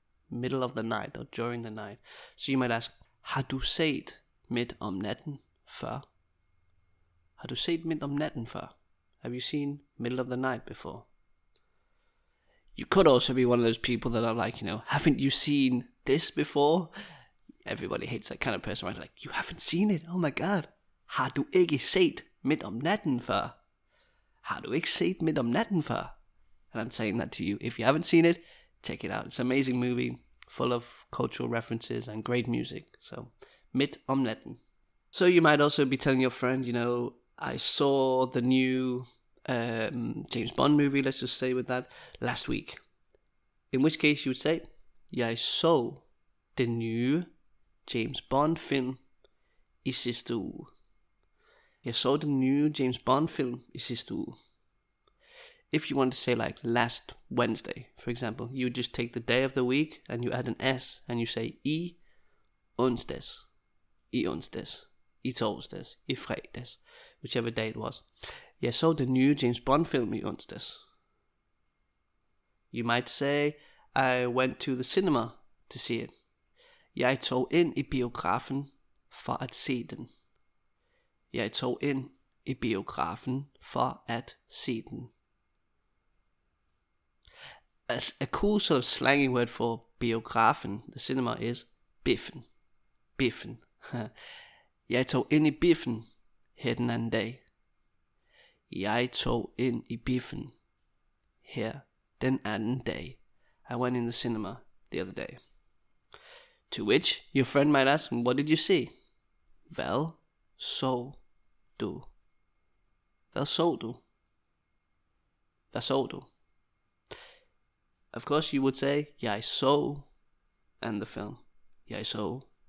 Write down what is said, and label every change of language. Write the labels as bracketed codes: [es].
[en] Middle of the night or during the night. So you might ask, [da] har du set Midt om Natten før? Har du set Midt om Natten før? [en] Have you seen Middle of the Night before? You could also be one of those people that are like, you know, haven't you seen this before? Everybody hates that kind of person, right? Like, you haven't seen it. Oh my god. [da] Har du ikke set Midt om Natten før? Har du ikke set Midt om Natten før? [en] And I'm saying that to you. If you haven't seen it, check it out. It's an amazing movie, full of cultural references and great music. So, Midt om Natten. So you might also be telling your friend, you know, I saw the new James Bond movie, let's just say with that, last week. In which case you would say, [da] jeg så den nye James Bond film i sidste uge. Jeg så den nye James Bond film i sidste uge. [en] If you want to say like last Wednesday, for example, you just take the day of the week and you add an S and you say [da] i onsdags, i onsdags, i torsdags, i fredags, [en] whichever day it was. [da] Jeg så den nye James Bond film i onsdags. [en] You might say I went to the cinema to see it. [da] Jeg tog ind i biografen for at se den. Jeg tog ind i biografen for at se den. [en] A cool sort of slangy word for biografen, the cinema, is biffen. Biffen. [da] Jeg tog ind i biffen her den anden dag. Jeg tog ind i biffen her den anden dag. [en] I went in the cinema the other day. To which your friend might ask, what did you see? [da] Vel, så du. Hvad så du? Hvad så du? [en] Of course you would say, jeg så, and the film, jeg så.